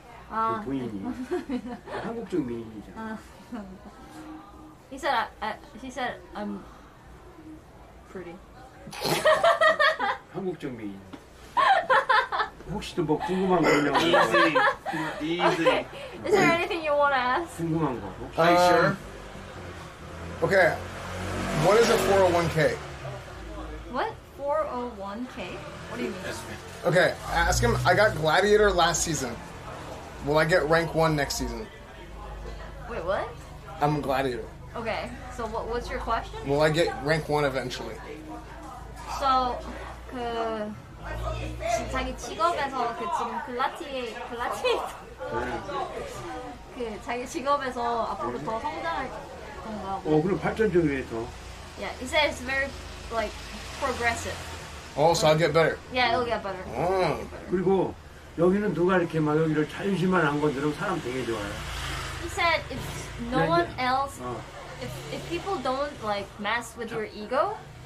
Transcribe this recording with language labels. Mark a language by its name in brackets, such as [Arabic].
[Korean] 아. 그 부인이. 한국적 미인이죠. [English] He said I'm. Pretty. [Korean] 한국적 미인. 혹시 또 뭐 궁금한 거 있냐고. [English] Easy. Easy. Okay. Is there anything you want to ask? [Korean] 궁금한 거. [English] Are you sure? Okay. What is a 401k? What? 401k? What do you mean? Okay. Ask him. I got Gladiator last season. Will I get rank 1 next season? Wait, what? I'm a Gladiator. Okay, so what's your question? Will I get rank 1 eventually? [Korean] So, 그 자기 직업에서 그 지금 글라티에이터 그 자기 직업에서 앞으로 더 성장할 건가? 어, 그럼 발전적 위해서. [English] Yeah, he said it's very like progressive. Oh, so I'll get better. Yeah, it'll get better. 어, oh. [Korean] 그리고 여기는 누가 이렇게 막 여기를 자유심만 안 건드려도 사람 되게 좋아요. [English] He said if no one else. If people don't like mess with your ego,